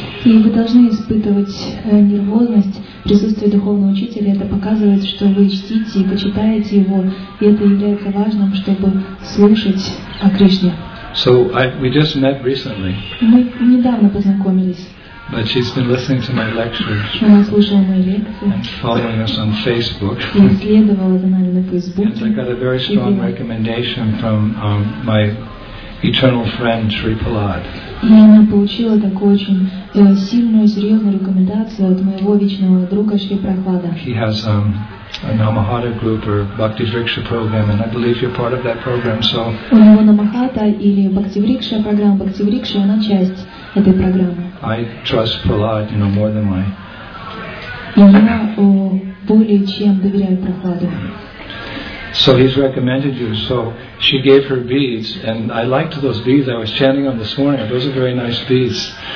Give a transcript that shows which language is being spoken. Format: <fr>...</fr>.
<ru>И вы должны испытывать нервозность в присутствии духовного учителя. Это показывает, что вы чтите и почитаете его, и это является важным, чтобы слушать о Кришне.</ru> <en>So we just met recently.</en> <ru>Мы недавно познакомились.</ru> <en>But she's been listening to my lectures.</en> <ru>Она слушала мои лекции.</ru> <en>And following us on Facebook.</en> <ru>И следовала за нами на Фейсбуке.</ru> <en>And I got a very strong recommendation from my eternal friend Sri Prahlad.</en> <ru>И она получила такую очень сильную, серьезную рекомендацию от моего вечного друга Шри Прохлада.</ru> <en>He has a Namahata group or Bhakti Vriksha program, and I believe you're part of that program. So.</en> <ru>У него Намахата или Бхакти Врикша программа. Бхакти Врикша она часть этой программы.</ru> <en>I trust Prahlad, you know, more than my.</en> <ru>Я более чем доверяю Прохладу.</ru> <en>So he's recommended you. So she gave her beads, and I liked those beads. I was chanting on this morning. Those are very nice beads.</en>